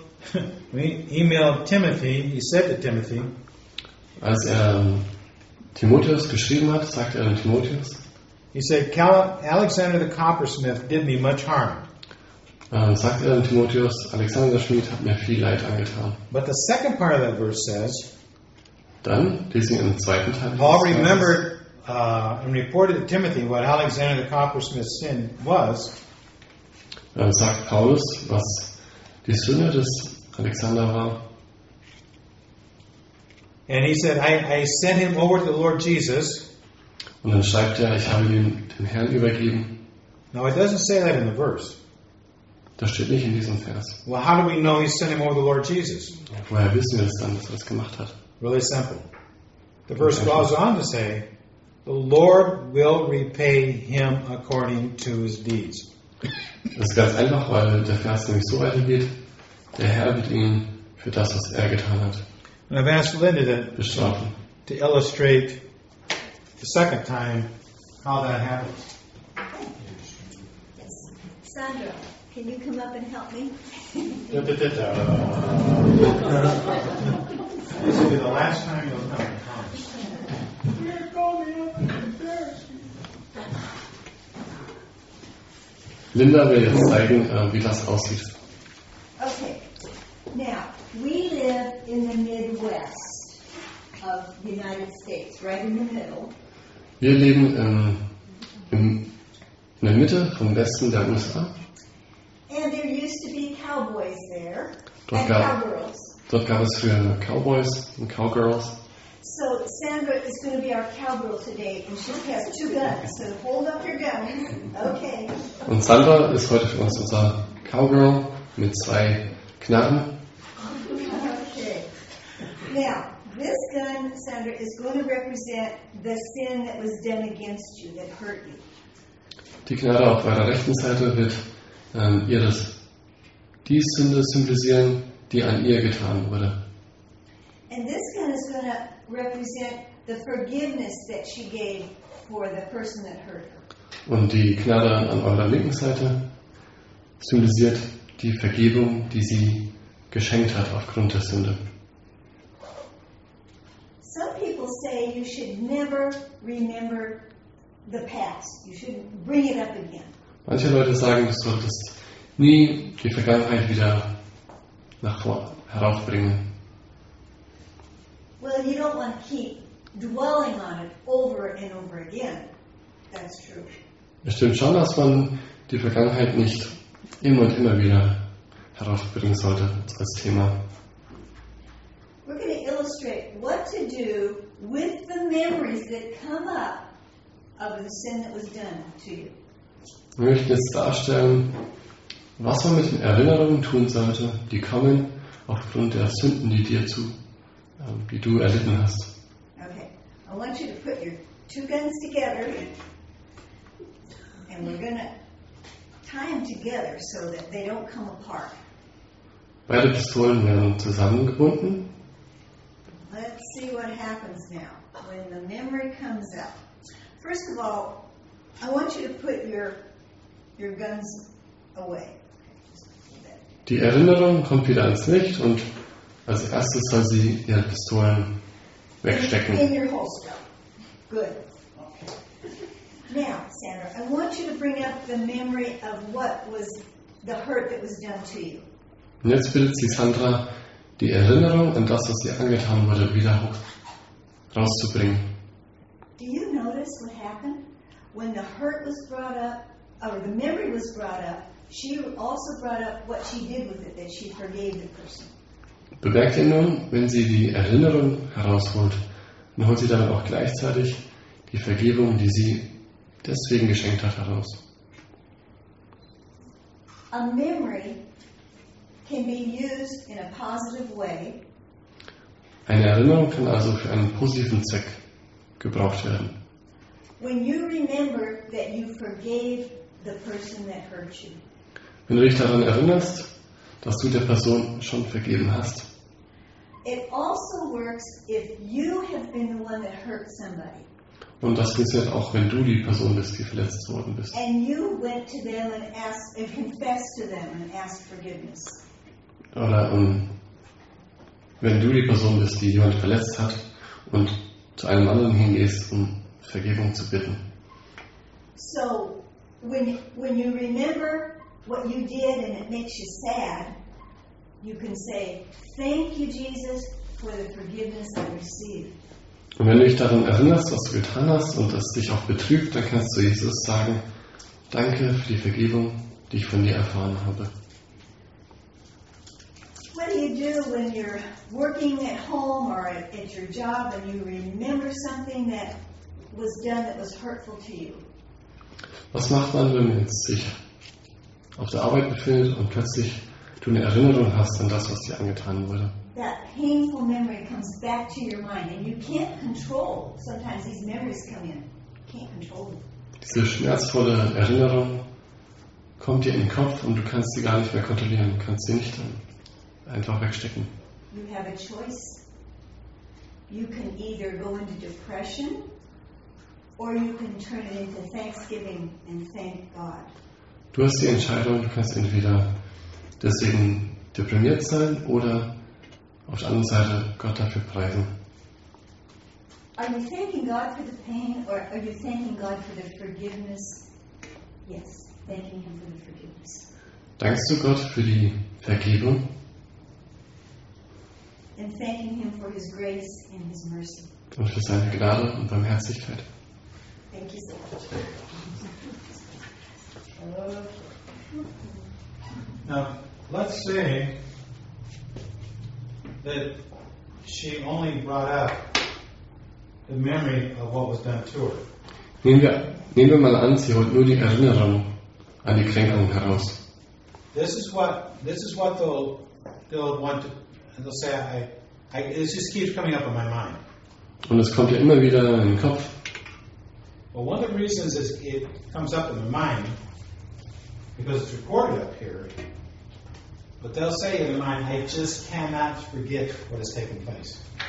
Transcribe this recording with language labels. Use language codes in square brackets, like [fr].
[en] When he emailed Timothy, he said to Timothy, [de] als er Timotheus geschrieben hat, sagte er an Timotheus, [en] he said, Alexander the Coppersmith did me much harm. [de] Sagte er an Timotheus, Alexander der Schmied hat mir viel Leid angetan. [en] But the second part of that verse says, [de] dann lesen wir im zweiten Teil. [en] Paul remembered and reported to Timothy what Alexander the Coppersmith's sin was. [de] Dann sagt Paulus, was die Sünde des Alexander war. [en] And he said, I sent him over to the Lord Jesus. [de] Und dann schreibt er, ich habe ihn dem Herrn übergeben. [en] Now it doesn't say that in the verse. [de] Das steht nicht in diesem Vers. [en] Well, how do we know he sent him over to the Lord Jesus? [de] Woher wissen wir das dann, dass er das gemacht hat? [en] Really simple. The verse goes on to say, the Lord will repay him according to his deeds. [de] Das ist ganz einfach, weil der Vers nämlich so weitergeht. Der Herr wird ihn für das, was er getan hat, bestrafen. [en] To illustrate the second time how that happens. Yes. Sandra, can you come up and help me? This will be the last time you'll come. [de] Linda will jetzt zeigen, wie das aussieht. [en] Okay. Now, we live in the Midwest of the United States, right in the middle. [de] Wir leben in der Mitte vom Westen der USA. [en] And there used to be cowboys there. [de] Dort cowgirls. Dort gab es früher Cowboys und Cowgirls. [en] So Sandra is going to be our cowgirl today, and she has two guns. So hold up your guns, okay? [de] Und Sandra ist heute für uns unser Cowgirl mit zwei Knarren. [en] Okay. Now this gun, Sandra, is going to represent the sin that was done against you that hurt you. [de] Die Knarre auf eurer rechten Seite wird die Sünde symbolisieren, die an ihr getan wurde. [en] And this gun is going to represent the forgiveness that she gave for the person that hurt her. [de] Und die Knarre an eurer linken Seite symbolisiert die Vergebung, die sie geschenkt hat aufgrund der Sünde. [en] Some people say you should never remember the past. You shouldn't bring it up again. [de] Manche Leute sagen, du solltest nie die Vergangenheit wieder nach vorne heraufbringen. [en] Well, you don't want to keep dwelling on it over and over again. That's true. [de] Es stimmt schon, dass man die Vergangenheit nicht immer und immer wieder heraufbringen sollte als Thema. [en] We're going to illustrate what to do with the memories that come up of the sin that was done to you. [de] Wir möchten jetzt darstellen, was man mit den Erinnerungen tun sollte, die kommen aufgrund der Sünden, die dir zu, die du erlitten hast. [en] Okay, I want you to put your two guns together and we're gonna tie them together so that they don't come apart. [de] Beide Pistolen werden zusammengebunden. [en] Let's see what happens now when the memory comes up. First of all, I want you to put your guns away. [de] Die Erinnerung kommt wieder ans Licht und Als erstes soll sie ihre Pistolen wegstecken. [en] In your holster. Good. Okay. Now, Sandra, I want you to bring up the memory of what was the hurt that was done to you. [de] Und jetzt bittet sie Sandra, die Erinnerung an das, was sie angetan wurde, wieder hoch rauszubringen. [en] Do you notice what happened when the hurt was brought up, or the memory was brought up? She also brought up what she did with it, that she forgave the person. [de] Bemerkt ihr nun, wenn sie die Erinnerung herausholt, dann holt sie dann auch gleichzeitig die Vergebung, die sie deswegen geschenkt hat, heraus. [en] A memory can be used in a positive way. [de] Eine Erinnerung kann also für einen positiven Zweck gebraucht werden. [en] When you remember that you forgave the person that hurt you. [de] Wenn du dich daran erinnerst, dass du der Person schon vergeben hast. [en] It also works if you have been the one that hurt somebody. [de] Und das funktioniert auch, wenn du die Person bist, die verletzt worden bist. [en] And you went to them and asked and confessed to them and asked forgiveness. [de] Oder wenn du die Person bist, die jemand verletzt hat und zu einem anderen hingehst, um Vergebung zu bitten. [en] So, when you remember what you did and it makes you sad, you can say, thank you, Jesus, for the forgiveness I received. [de] Und wenn du dich daran erinnerst, was du getan hast und es dich auch betrübt, dann kannst du Jesus sagen, danke für die Vergebung, die ich von dir erfahren habe. [en] What do you do when you're working at home or at your job and you remember something that was done that was hurtful to you? [de] Was macht man, wenn man sich auf der Arbeit befindet und plötzlich du eine Erinnerung hast an das, was dir angetan wurde? [en] That painful memory comes back to your mind and you can't control. Sometimes these memories come in. You can't control them. [de] Diese schmerzvolle Erinnerung kommt dir in den Kopf und du kannst sie gar nicht mehr kontrollieren. Du kannst sie nicht einfach wegstecken. [en] You have a choice. You can either go into depression or you can turn it into thanksgiving and thank God. [de] Du hast die Entscheidung, du kannst entweder deswegen deprimiert sein oder auf der anderen Seite Gott dafür preisen. [en] Are you thanking God for the pain or are you thanking God for the forgiveness? Yes, thanking Him for the forgiveness. [de] Dankst du Gott für die Vergebung? [en] And thanking Him for His grace and His mercy. [de] Und für seine Gnade und Barmherzigkeit. [en] Thank you so much. Now, let's say that she only brought up the memory of what was done to her. [de] Nehmen wir mal an, sie holt nur die Erinnerung an die Kränkung heraus. [en] This is what they'll want to, and they'll say, this just keeps coming up in my mind. [de] Und es kommt ja immer wieder in den Kopf. [en] Well, one of the reasons is it comes up in the mind, because it's recorded up here. But they'll say in the mind, I just cannot forget what has taken place.